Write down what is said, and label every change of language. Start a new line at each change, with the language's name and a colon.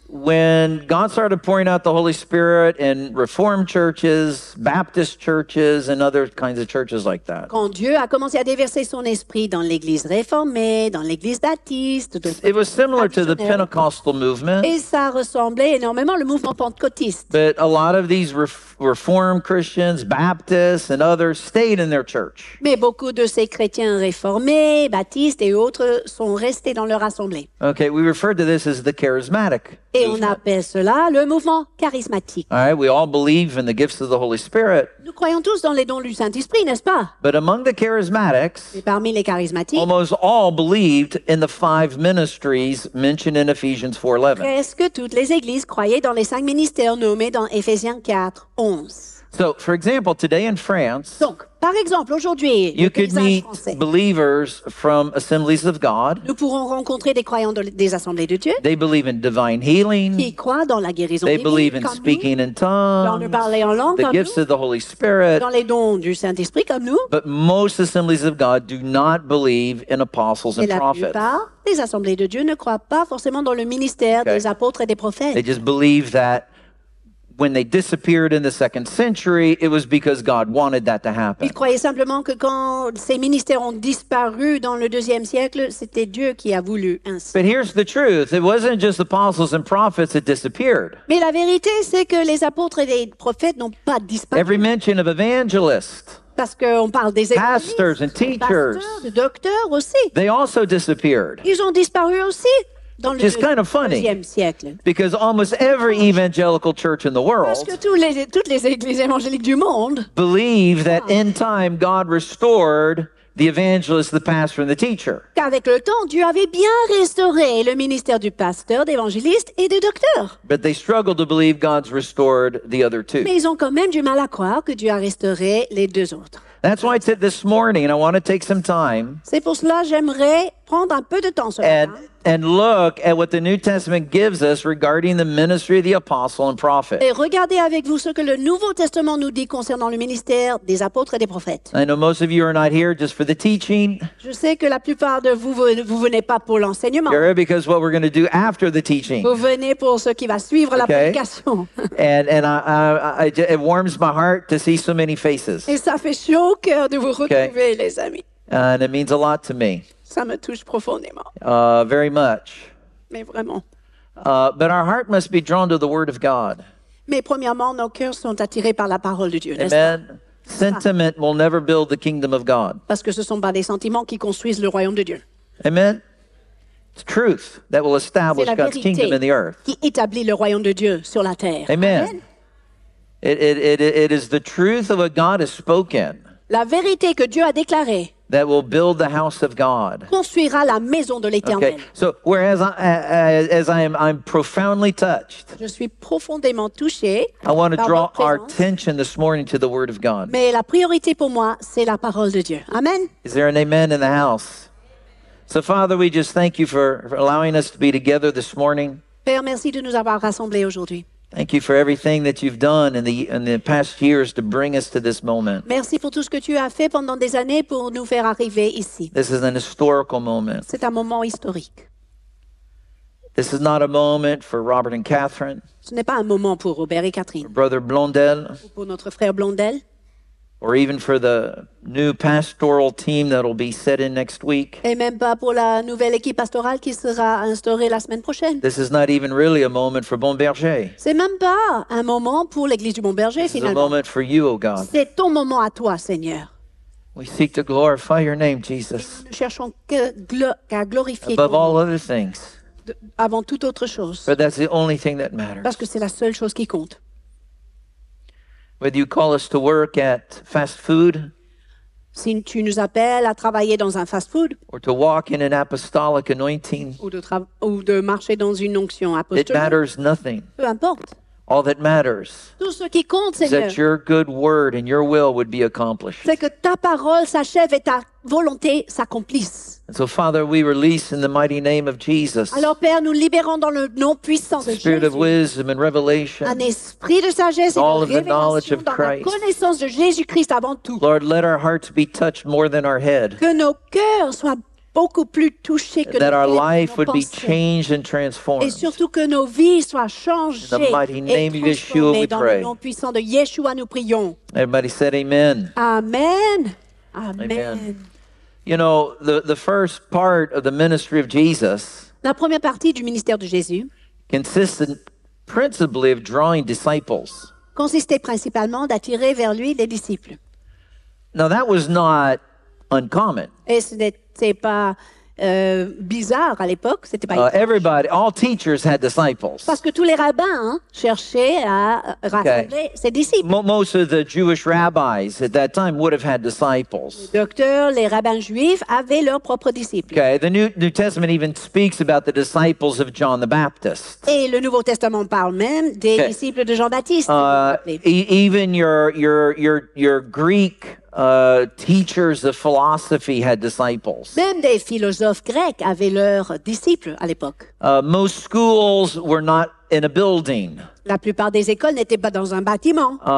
English: When God started pouring out the Holy Spirit in Reformed churches, Baptist churches, and other kinds of churches like that.
French: Quand Dieu a commencé à déverser son esprit dans l'église réformée, dans l'église baptiste.
English: It was similar to the Pentecostal movement.
French: Et ça ressemblait énormément au mouvement pentecôtiste.
English: But a lot of these Reformed Christians, Baptists, and others stayed in their church.
French: Mais beaucoup de ces chrétiens réformés, baptistes et autres sont restés dans leur assemblée.
English: Okay, we referred to this as the charismatic.
French: Et on appelle cela le mouvement charismatique.
English: All right, we all believe in the gifts of the Holy Spirit.
French: Nous croyons tous dans les dons du Saint-Esprit, n'est-ce pas?
English: But among the charismatics,
French: et parmi les charismatiques,
English: almost all believed in the five ministries mentioned in Ephesians 4:11.
French: Presque toutes les églises croyaient dans les cinq ministères nommés dans Ephésiens 4:11.
English: So, for example, today in France,
French: donc, par exemple, aujourd'hui,
English: you could meet believers from assemblies of God.
French: Nous pourrons rencontrer des croyants des assemblées de Dieu.
English: They believe in divine healing.
French: Qui croient dans la guérison.
English: They believe in speaking in tongues.
French: Dans le parler en langue.
English: The gifts of the Holy Spirit.
French: Dans les dons du Saint-Esprit comme nous.
English: But most assemblies of God do not believe in apostles and prophets.
French: Et la plupart des assemblées de Dieu ne croient pas forcément dans le ministère des apôtres et des prophètes.
English: They just believe that when they disappeared in the second century, it was because God wanted that to happen.
French: Ils croyaient simplement que quand ces ministères ont disparu dans le deuxième siècle, c'était Dieu qui a voulu ainsi.
English: But here's the truth. It wasn't just apostles and prophets that disappeared.
French: Mais la vérité, c'est que les apôtres et les prophètes n'ont pas disparu.
English: Every mention of evangelists.
French: Parce qu'on parle des évangélistes.
English: Pastors and teachers.
French: Pasteurs, docteurs aussi.
English: They also disappeared.
French: Ils ont disparu aussi.
English: Which is kind of funny, because almost every evangelical church in the world
French: toutes les églises évangéliques du monde
English: believe that in time God restored the evangelist, the pastor, and the teacher.
French: Qu'avec le temps, Dieu avait bien restauré le ministère du pasteur, d'évangéliste et de docteur.
English: But they struggled to believe God's restored the other two.
French: Mais ils ont quand même du mal à croire que Dieu a restauré les deux autres.
English: That's why I said this morning, I want to take some time.
French: C'est pour cela j'aimerais prendre un peu de temps ce matin.
English: And look at what the New Testament gives us regarding the ministry of the apostle and prophet.
French: Et regardez avec vous ce que le Nouveau Testament nous dit concernant le ministère des apôtres et des prophètes.
English: I know most of you are not here just for the teaching.
French: Je sais que la plupart de vous vous venez pas pour l'enseignement.
English: You're here because what we're going to do after the teaching.
French: Vous venez pour ce qui va suivre
English: okay.
French: La prédication.
English: And it warms my heart to see so many faces.
French: Et ça fait chaud au cœur de vous retrouver, okay. Les amis.
English: And it means a lot to me.
French: Ça me touche profondément.
English: Very much.
French: Mais vraiment.
English: But our heart must be drawn to the Word of God.
French: Mais premièrement, nos cœurs sont attirés par la parole de Dieu, Amen. N'est-ce pas?
English: Sentiment will never build the kingdom of God.
French: Parce que ce sont pas des sentiments qui construisent le royaume de Dieu.
English: Amen. It's truth that will establish
French: C'est la
English: God's kingdom in the earth.
French: Qui établit le royaume de Dieu sur la terre. Amen. Amen.
English: It is the truth of what God has spoken.
French: La vérité que Dieu a déclarée.
English: That will build the house of God.
French: Construira la maison de l'Éternel.
English: Okay. So, whereas I'm profoundly touched.
French: Je suis profondément touché.
English: I want to draw our attention this morning to the Word of God.
French: Mais la priorité pour moi, c'est la parole de Dieu. Amen.
English: Is there an amen in the house? So, Father, we just thank you for allowing us to be together this morning.
French: Père, merci de nous avoir rassemblés aujourd'hui.
English: Thank you for everything that you've done in the past years to bring us to this moment.
French: Merci pour tout ce que tu as fait pendant des années pour nous faire arriver ici.
English: This is an historical moment.
French: C'est un moment historique.
English: This is not a moment for Robert and Kathryn.
French: Ce n'est pas un moment pour Robert et Catherine.
English: Or Brother Blondel.
French: Ou pour notre frère Blondel.
English: Or even for the new pastoral team that will be set in next week.
French: Et même pas pour la nouvelle équipe pastorale qui sera instaurée la semaine prochaine.
English: This is not even really a moment for Berger.
French: C'est même pas un moment pour l'église du Berger, finalement.
English: It's a moment for you, oh God.
French: C'est ton moment à toi, Seigneur.
English: We seek to glorify your name, Jesus.
French: Et nous cherchons qu'à glorifier
English: Above all other things.
French: Avant toute autre chose.
English: But that's the only thing that matters.
French: Parce que c'est la seule chose qui compte.
English: Whether you call us to work at fast food,
French: si tu nous appelles à travailler dans un fast food,
English: or to walk in an apostolic anointing,
French: ou de marcher dans une onction apostolique,
English: it matters nothing.
French: Peu importe.
English: All that matters
French: Tout ce qui compte, Seigneur,
English: is that your good word and your will would be accomplished.
French: C'est que ta parole s'achève et ta volonté s'accomplisse.
English: And so, Father, we release in the mighty name of Jesus.
French: Alors, Père, nous libérons dans le nom puissant de Jésus.
English: Spirit of wisdom and revelation.
French: Un esprit de sagesse et
English: all
French: de révélation
English: of the knowledge
French: dans
English: of Christ.
French: La connaissance de Jésus-Christ avant tout.
English: Lord, let our hearts be touched more than our head.
French: Que nos cœurs soient beaucoup plus touchés que
English: that our life would be changed and transformed.
French: Et surtout que nos vies soient changées.
English: In the mighty name of Yeshua, we pray.
French: Dans le nom puissant de Yeshua, nous prions.
English: Everybody said amen. Amen. Amen. You know, the first part of the ministry of Jesus
French: La première partie du ministère de Jésus
English: consisted principally of drawing disciples.
French: Consistait principalement d'attirer vers lui les disciples.
English: Now that was not uncommon.
French: Et ce n'était pas bizarre à l'époque, c'était pas étrange.
English: Everybody, all teachers had disciples.
French: Parce que tous les rabbins cherchaient à rassembler ses disciples.
English: Most of the Jewish rabbis at that time would have had disciples.
French: Docteurs, les rabbins juifs avaient leurs propres disciples.
English: Okay, the New Testament even speaks about the disciples of John the Baptist.
French: Et le Nouveau Testament parle même des disciples de Jean-Baptiste.
English: Even your Greek teachers of philosophy had disciples.
French: Même des philosophes grecs avaient leurs disciples à l'époque.
English: Most schools were not in a building.
French: La plupart des écoles n'étaient pas dans un bâtiment.